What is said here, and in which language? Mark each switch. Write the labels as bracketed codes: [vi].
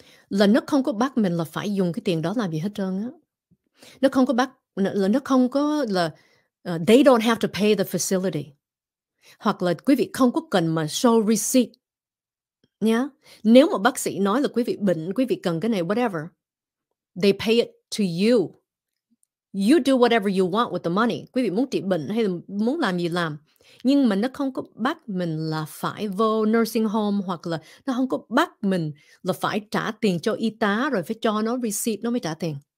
[vi] Là nó không có bắt mình là phải dùng cái tiền đó làm gì hết trơn á. Nó không có bắt, là nó không có là [en] they don't have to pay the facility. [vi] Hoặc là quý vị không có cần mà show receipt. Yeah? Nếu mà bác sĩ nói là quý vị bệnh, quý vị cần cái này, whatever. [en] They pay it to you. You do whatever you want with the money. [vi] Quý vị muốn trị bệnh hay muốn làm gì làm. Nhưng mà nó không có bắt mình là phải vô nursing home hoặc là nó không có bắt mình là phải trả tiền cho y tá rồi phải cho nó receipt nó mới trả tiền.